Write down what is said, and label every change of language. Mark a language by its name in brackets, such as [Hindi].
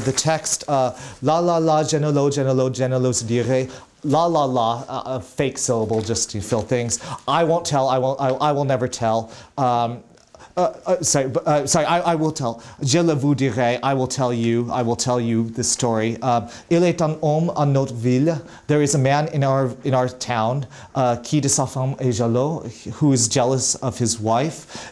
[English] The text, la la la, genolo, genolo, genolo, dire, la la la, a fake syllable just to fill things. I won't tell, I will never tell. I will tell. [French] Je le vous dirai. [English] I will tell you the story. [French] Il est un homme en notre ville. [English] There is a man in our town. [French] Qui de sa femme est jaloux, [English] who is jealous of his wife.